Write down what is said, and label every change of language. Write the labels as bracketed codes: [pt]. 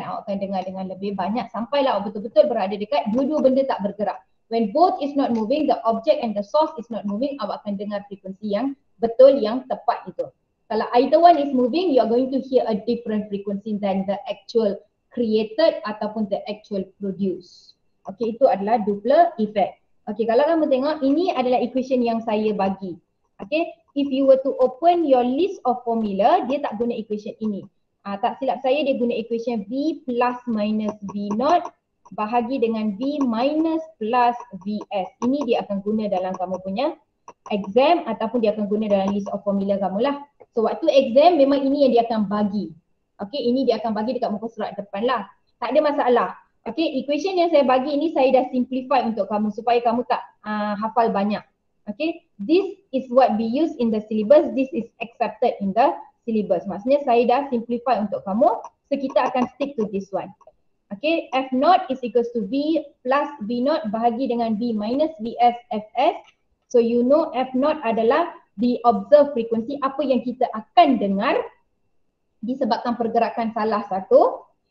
[ms] Awak akan dengar dengan lebih banyak sampailah awak betul-betul berada dekat dua-dua benda tak bergerak. [en] When both is not moving, the object and the source is not moving, [ms] awak akan dengar frekuensi yang betul, yang tepat itu. [en] Kalau either one is moving, you are going to hear a different frequency than the actual created ataupun the actual produced. [ms] Okay, itu adalah Doppler effect. Okay, kalau kamu tengok, ini adalah equation yang saya bagi. [en] Okay, if you were to open your list of formula, [ms] dia tak guna equation ini. Tak silap saya, dia guna equation V plus minus V naught bahagi dengan V minus plus Vs. Ini dia akan guna dalam kamu punya exam ataupun dia akan guna dalam [en] list of formula [ms] kamu lah. So waktu exam memang ini yang dia akan bagi. Okay, ini dia akan bagi dekat muka surat depan lah. Tak ada masalah. Okay, equation yang saya bagi ini saya dah simplify untuk kamu supaya kamu tak hafal banyak. [en] Okay, this is what we use in the syllabus. This is accepted in the syllabus. [ms] Maksudnya saya dah simplify untuk kamu. So kita akan [en] stick to this one. [ms] Okay, F naught is equals to V plus V naught bahagi dengan V minus Vs Fs. So you know F naught adalah [en] the observed frequency, [ms] apa yang kita akan dengar disebabkan pergerakan salah satu.